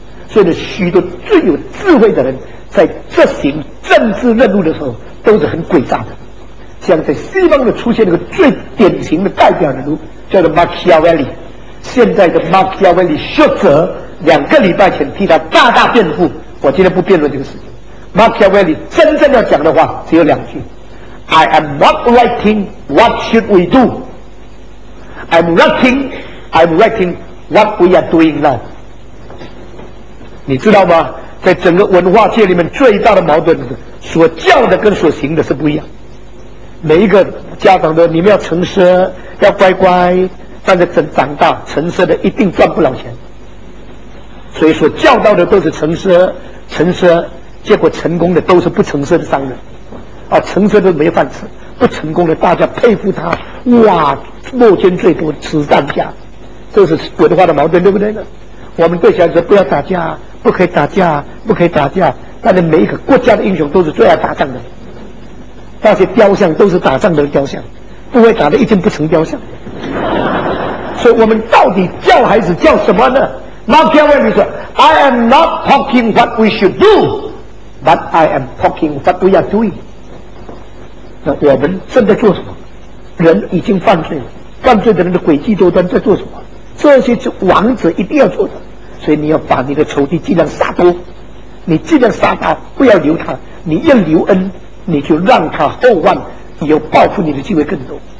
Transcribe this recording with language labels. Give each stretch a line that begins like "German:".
Chinese: 所以呢，许多最有智慧的人在执行政治任务的时候都是很诡诈的。像在西方的出现一个最典型的代表人物叫做马基亚维里，现在的马基亚维里学者两个礼拜前替他大大辩护，我今天不辩论这个事情。马基亚维里真正要讲的话只有两句，
English: I am not writing what should we do, I'm writing what we are doing now。
Chinese: 你知道吗，在整个文化界里面最大的矛盾是所教的跟所行的是不一样，每一个家长都你们要诚实要乖乖，但是等长大诚实的一定赚不了钱，所以所教导的都是诚实诚实，结果成功的都是不诚实的商人啊，诚实的没饭吃，不成功的大家佩服他，哇，落捐最多慈善家，这是文化的矛盾，对不对呢？我们对小孩子不要打架，不可以打架，不可以打架，但是每一个国家的英雄都是最爱打仗的，那些雕像都是打仗的雕像，不会打的一定不成雕像。所以我们到底教孩子教什么呢？马基亚维里说，
English: I am not talking what we should do, but I am talking what we are doing。
Chinese: 那我们正在做什么？人已经犯罪了，犯罪的人的诡计多端，在做什么？这些是王子一定要做的，所以你要把你的仇敌尽量杀多，你尽量杀他，不要留他，你要留恩，你就让他后患，你有报复你的机会更多。